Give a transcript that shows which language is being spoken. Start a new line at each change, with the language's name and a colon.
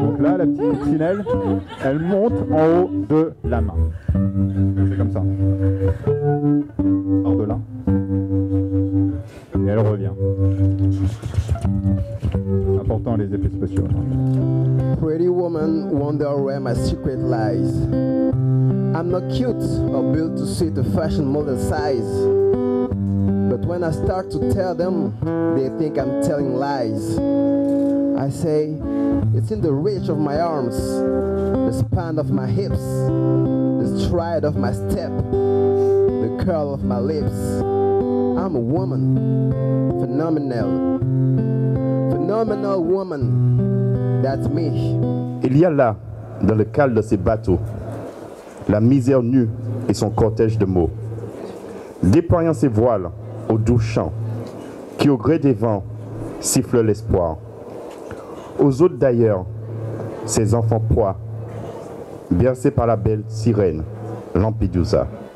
French: Donc là, la petite coccinelle, elle monte en haut de la main. C'est comme ça. Hors de là. Et elle revient. Important les effets spéciaux.
English: Pretty woman, wonder where my secret lies. I'm not cute or built to suit the fashion model size. But when I start to tell them, they think I'm telling lies. I say, it's in the reach of my arms, the span of my hips, the stride of my step, the curl of my lips. I'm a woman, phenomenal. Phenomenal woman, that's me.
French: Il y a là, dans le cale de ces bateaux, la misère nue et son cortège de mots, déployant ses voiles au doux chant, qui au gré des vents siffle l'espoir. Aux autres d'ailleurs, ses enfants proies, bercés par la belle sirène, Lampedusa.